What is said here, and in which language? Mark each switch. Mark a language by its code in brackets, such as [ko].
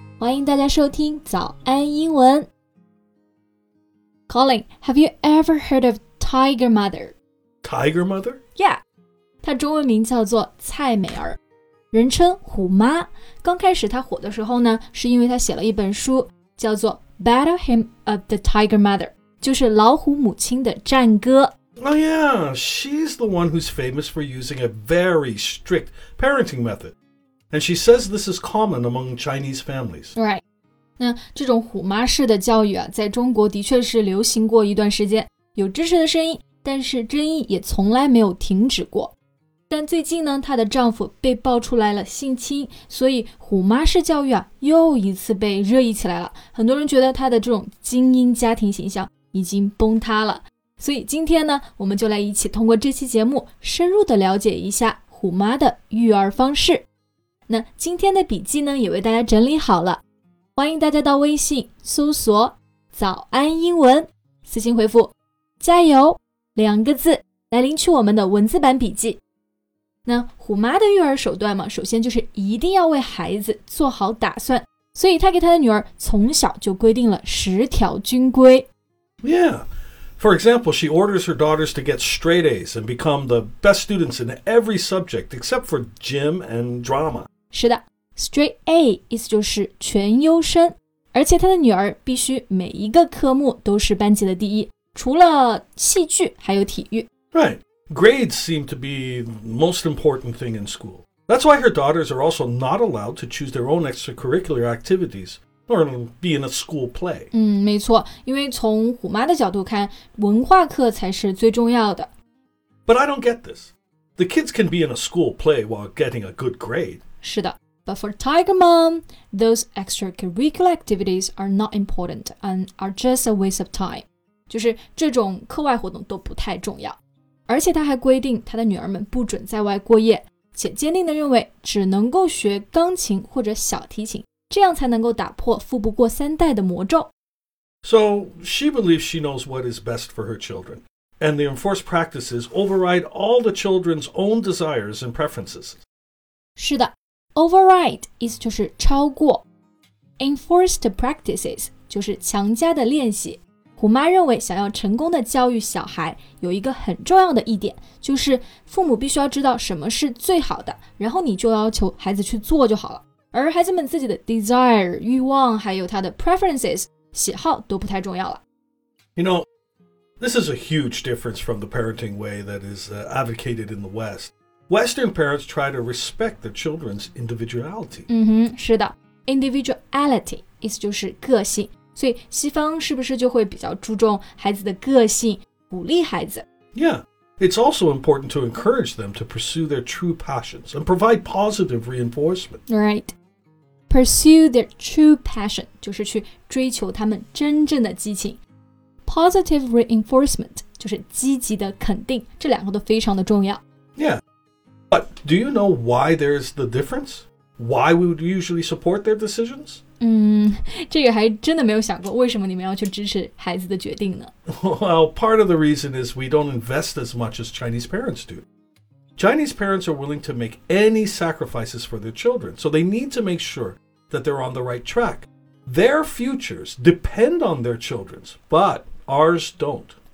[zh] 欢迎大家收听早安英文。 [en] Colin, have you ever heard of Tiger Mother? Tiger Mother? Yeah. [zh] 她中文名叫做蔡美儿，人称虎妈。刚开始她火的时候呢，是因为她写了一本书，叫做 [en] Battle Hymn of the Tiger Mother, [zh] 就是老虎母亲的战歌。 [en] Oh yeah, she's the one who's famous for using a very strict parenting method. And she says this is common among Chinese families. Right. [zh] 那这种虎妈式的教育啊，在中国的确是流行过一段时间，有支持的声音，但是争议也从来没有停止过。但最近呢，她的丈夫被爆出来了性侵，所以虎妈式教育啊，又一次被热议起来了。很多人觉得她的这种精英家庭形象已经崩塌了。所以今天呢，我们就来一起通过这期节目深入的了解一下虎妈的育儿方式。那今天的笔记呢，也为大家整理好了，欢迎大家到微信搜索早安英文，私信回复加油两个字来领取我们的文字版笔记。那虎妈的育儿手段嘛，首先就是一定要为孩子做好打算，所以她给她的女儿从小就规定了十条军规。 [en] For example, she orders her daughters to get straight A's and become the best students in every subject except for gym and drama. [zh] 是的 straight A 意思就是全优生，而且她的女儿必须每一个科目都是班级的第一，除了戏剧还有体育。 [en] Right. Grades seem to be the most important thing in school. That's why her daughters are also not allowed to choose their own extracurricular activities. Or be in a school play. [zh] 没错，因为从虎妈的角度看，文化课才是最重要的。 [en] But I don't get this. The kids can be in a school play while getting a good grade. [zh] 是的 [en] ,but for Tiger Mom, those extracurricular activities are not important and are just a waste of time. [zh] 就是这种课外活动都不太重要。而且她还规定她的女儿们不准在外过夜，且坚定地认为只能够学钢琴或者小提琴。这样才能够打破富不过三代的魔咒。 [en] So, she believes she knows what is best for her children. And the enforced practices override all the children's own desires and preferences. [zh] 是的 ,override 意思就是超过。Enforced practices 就是强加的练习。虎妈认为想要成功的教育小孩有一个很重要的一点，就是父母必须要知道什么是最好的，然后你就要求孩子去做就好了。而孩子们自己的 desire, 欲望还有他的 preferences, 喜好都不太重要了。 [en] You know, this is a huge difference from the parenting way that is advocated in the West. Western parents try to respect their children's individuality. [zh] 是的 ,individuality 意思就是个性。所以西方是不是就会比较注重孩子的个性，鼓励孩子 [en] ?Yeah. It's also important to encourage them to pursue their true passions and provide positive reinforcement. Right. Pursue their true passion, [zh] 就是去追求他们真正的激情。 Positive reinforcement, 就是积极的肯定，这两个都非常的重要。 [en] Yeah. But do you know why there's the difference? Why we would usually support their decisions? [zh] 这个还真的没有想过为什么你们要去支持孩子的决定呢 [en] Well, part of the reason is we don't invest as much as Chinese parents do. Chinese parents are willing to make any sacrifices for their children, so they need to make sure that they're on the right track. Their futures depend on their children's, but ours don't.